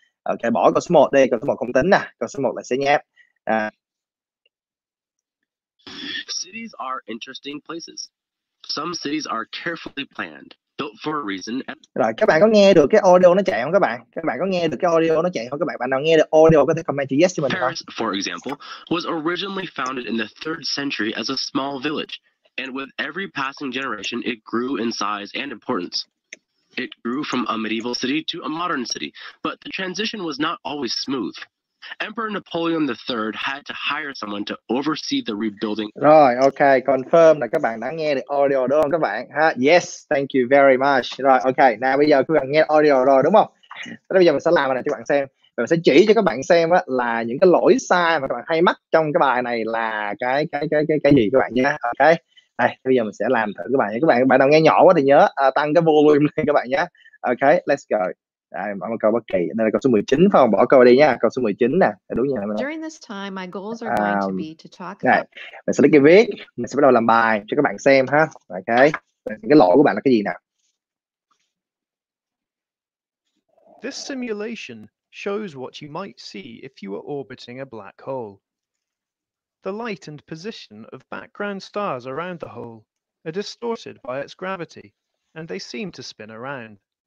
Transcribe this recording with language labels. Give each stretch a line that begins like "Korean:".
Vietnamese: Ok, bỏ câu số 1 đi. Câu số 1 không tính nè. Câu số 1 là sẽ nhép.
English: Cities are interesting places. Some cities are carefully planned. For a reason.
Vietnamese: Rồi các bạn có nghe được cái audio nó chạy không các bạn? Các bạn có nghe được cái audio nó chạy không các bạn? Bạn nào nghe được audio có thể comment yes cho mình không?
English: Paris, for example, was originally founded in the 3rd century as a small village, and with every passing generation it grew in size and importance. It grew from a medieval city to a modern city, but the transition was not always smooth. Emperor Napoleon III had to hire someone to oversee the rebuilding.
Vietnamese: Rồi, ok, confirm là các bạn đã nghe được audio đúng không các bạn? Ha,
English: yes, thank you very much.
Vietnamese: Rồi, ok, nào bây giờ các bạn nghe audio rồi đúng không? Rồi bây giờ mình sẽ làm này cho các bạn xem. Mình sẽ chỉ cho các bạn xem á là những cái lỗi sai mà các bạn hay mắc trong cái bài này là cái gì các bạn nhé. Ok. Đây, bây giờ mình sẽ làm thử các bạn. Các bạn nào nghe nhỏ quá thì nhớ tăng cái volume lên các bạn nhé.
English: Ok, let's go.
Vietnamese: Đây, bỏ một câu bất kỳ. Đây là câu số 19 phải không? Bỏ câu đi nha. Câu số 19 nè. Đúng nhỉ?
English: During this time, my goals are going to be to talk about.
Vietnamese: Mình sẽ lấy cái viết. Mình sẽ bắt đầu làm bài cho các bạn xem ha. Ok. Cái lỗi của bạn là cái gì nè?
English: This simulation shows what you might see if you were orbiting a black hole. The light and position of background stars around the hole are distorted by its gravity, and they seem to spin around.